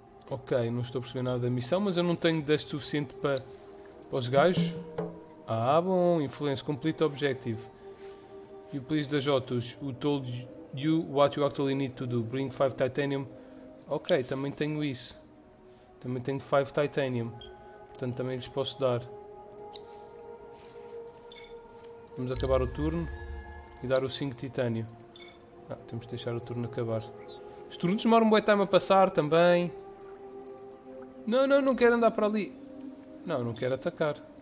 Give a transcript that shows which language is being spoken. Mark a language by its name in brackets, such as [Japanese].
[Portuguese] Ok, não estou a perceber nada da missão, mas eu não tenho dust suficiente para os gajos. Ah, bom, [English] influence complete objective. You please the Jotos, who told you what you actually need to do. Bring 5 titanium. [Portuguese] Ok, também tenho isso. Também tenho 5 titanium. Portanto, também lhes posso dar. Vamos acabar o turno e dar o 5 de titânio. Ah, temos de deixar o turno acabar. Os turnos demoram um bué time a passar também. Não, não, não quero andar para ali. Não, não quero atacar.